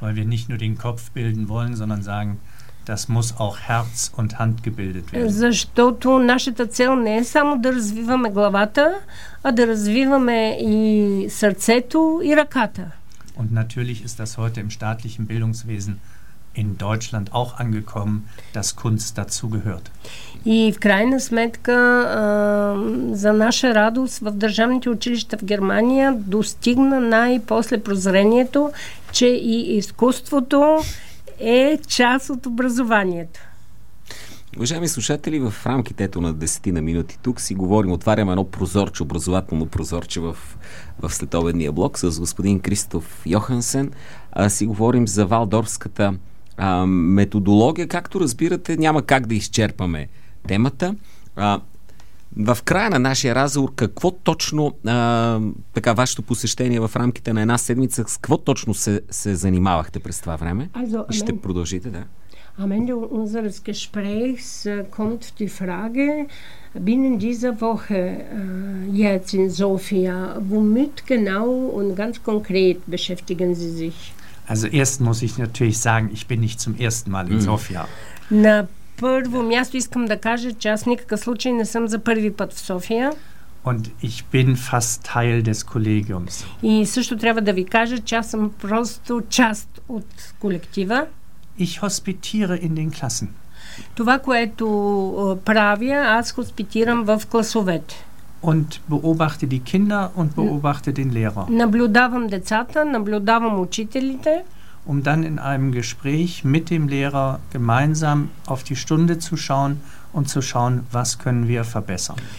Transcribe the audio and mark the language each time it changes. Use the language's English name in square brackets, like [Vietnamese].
[German] Weil wir nicht nur den Kopf bilden wollen, sondern sagen, Das muss auch Herz und Hand gebildet werden. [Bulgarian] Защото нашата цел не е само да развиваме главата, а да развиваме и сърцето и ръката. [German] Und natürlich ist das heute im staatlichen Bildungswesen in Deutschland auch angekommen, dass Kunst dazu gehört. [Bulgarian] И в крайна сметка, за наша радост, в държавните училища в Германия достигна най-после прозрението, че и изкуството е част от образованието. Уважаеми слушатели, в рамките на 10 минути тук си говорим, отваряме едно прозорче, образователно прозорче в следобедния блок с господин Кристоф Йохансен. Си говорим за валдорфската методология. Както разбирате, няма как да изчерпаме темата. В края на нашия разговор, какво точно така вашето посещение в рамките на една седмица, с какво точно се занимавахте през това време? Ще продължите, да. [German] Am Ende unseres Gesprächs kommt die Frage, binnen dieser Woche jetzt in Sofia, womit genau und ganz konkret beschäftigen Sie sich? Also erst muss ich natürlich sagen, ich bin nicht zum ersten Mal in Sofia. [Bulgarian] На първо място искам да кажа, че аз никакъв случай не съм за първи път в София. [German] Und ich bin fast Teil des Kollegiums. [Bulgarian] И също трябва да ви кажа, че аз съм просто част от колектива. [German] Ich hospitiere in den Klassen. [Bulgarian] Това, което правя, аз хоспитирам в класовете. [German] Und beobachte die Kinder und beobachte den Lehrer. [Bulgarian] Наблюдавам децата, наблюдавам учителите. [German] Um dann in einem Gespräch mit dem Lehrer gemeinsam auf die Stunde zu schauen und zu schauen, was können wir verbessern.